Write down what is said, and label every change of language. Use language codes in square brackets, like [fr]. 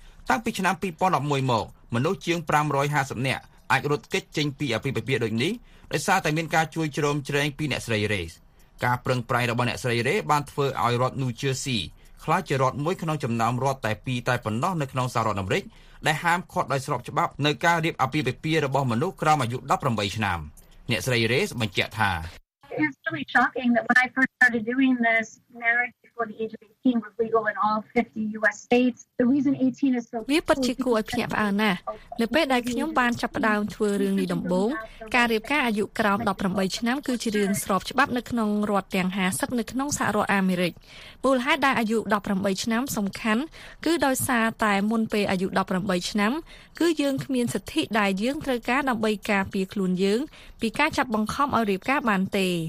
[km] តាំងពីឆ្នាំ2011មកមនុស្សជាង550នាក់អាចរត់គេចចេញពីអភិបាលដូចនេះដោយសារតែមានការជួយជ្រោមជ្រែងពីអ្នកស្រី Race ការប្រឹងប្រែងរបស់អ្នកស្រីរ៉េបានធ្វើឲ្យរដ្ឋ New Jersey ក្លាយជារដ្ឋមួយក្នុងចំណោមរដ្ឋតែ2តែប៉ុណ្ណោះនៅក្នុងសហរដ្ឋអាមេរិកដែលហាមឃាត់ដោយស្របច្បាប់នៅការរៀបអភិបាលពីរបស់មនុស្សក្រោមអាយុ18ឆ្នាំអ្នកស្រីរ៉េបញ្ជាក់ថា [en] It's really shocking that when I first started doing this marriage before the age of 18 was legal in all 50 US states. The reason 18 is so [km] វាពិតជាគួរឲ្យភ្ញាក់ផ្អើលណាស់នៅពេលដែលខ្ញុំបានចាប់ផ្ដើមធ្វើរឿងនេះដំបូងការរៀបការអាយុក្រោម18ឆ្នាំគឺជារឿងស្របច្បាប់នៅក្នុងរដ្ឋទាំង50នៅក្នុងសហរដ្ឋអាមេរិកមូលហេតុដែលអាយុ18ឆ្នាំសំខាន់គឺដោយសារតែមុនពេលអាយុ18ឆ្នាំគឺយើងគ្មានសិទ្ធិដែលយើងត្រូវការដើម្បីការពារខ្លួនយើងពីការចាប់បង្ខំឲ្យរៀបការបានទេ